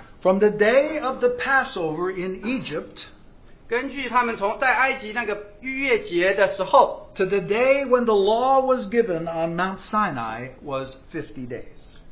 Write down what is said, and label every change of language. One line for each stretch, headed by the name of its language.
English: from the day of the Passover in Egypt,
Chinese: 根据他们从在埃及那个逾越节的时候,
English: to the day when the law was given on Mount Sinai was 50 days.